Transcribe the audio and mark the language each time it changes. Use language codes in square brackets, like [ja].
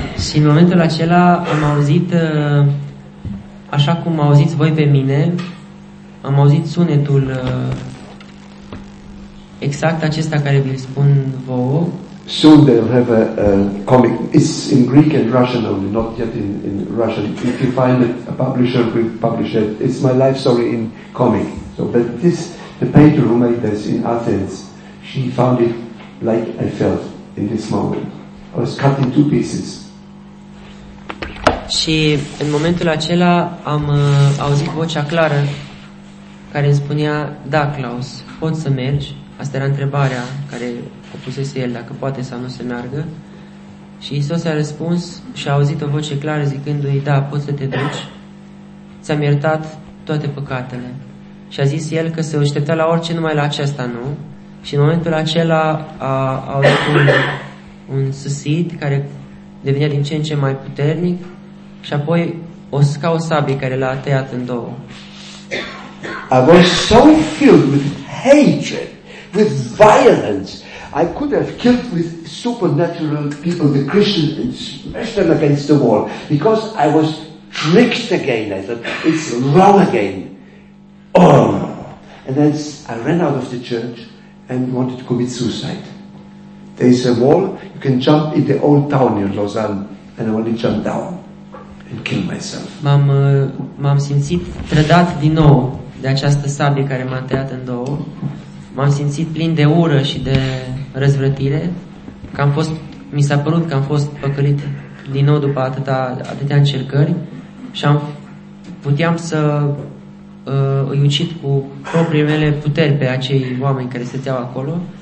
[ro] Și în momentul acela am auzit, așa cum auziți voi pe mine, am auzit sunetul exact acesta care vi-l spun vouă. [en] Soon they'll have a comic. It's in Greek and Russian only, not yet in Russian. If you find it, a publisher will publish it. It's my life story in comic. So, but this, the painter who made this in Athens, she found it like I felt in this moment. I was cut in two pieces. [ro] Și în momentul acela am auzit vocea clară care îmi spunea, da, Klaus, poți să mergi. Asta era întrebarea care o pusese el, dacă poate sau nu să meargă. Și Iisus a răspuns și a auzit o voce clară zicându-i, da, poți să te duci, ți-am iertat toate păcatele. Și a zis el că se aștepta la orice, numai la aceasta nu. Și în momentul acela a avut un susit care devenea din ce în ce mai puternic și apoi ca o sabie care l-a tăiat în două. [en] I was so filled with hatred, with violence. I could have killed with supernatural people, the Christians, and smashed them against the wall, because I was tricked again. I thought, it's wrong again. Oh! And then I ran out of the church and wanted to commit suicide. There is a wall, you can jump in the old town in Lausanne, and I want to jump down and kill myself. [ro] M-am simțit trădat din nou de această sabie care m-a tăiat în două. M-am simțit plin de ură și de răzvrătire, că am fost, mi s-a părut că am fost păcălit din nou după atâtea încercări și puteam să îi ucid cu propriile mele puteri pe acei oameni care stăteau acolo.